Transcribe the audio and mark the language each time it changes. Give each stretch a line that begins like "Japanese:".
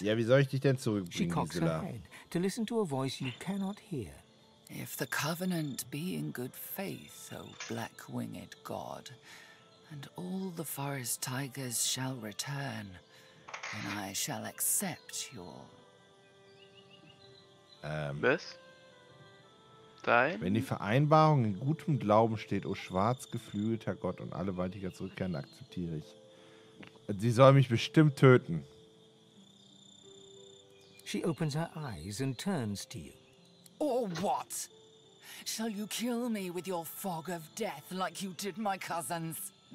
German: Ja, wie soll ich dich denn zurückbringen, Gisela?
English: To listen to a voice you cannot hear. If the covenant be in good faith, O black-winged god, and all the forest tigers shall return, then I shall accept your...
German: Was? Dein? Wenn die Vereinbarung in gutem Glauben steht, oh schwarz geflügelter Gott und alle Waldtiger zurückkehren, akzeptiere ich. Sie soll mich bestimmt töten.
English: She opens her eyes and turns to you. Or what? Shall you kill me with your fog of death like you did my cousins?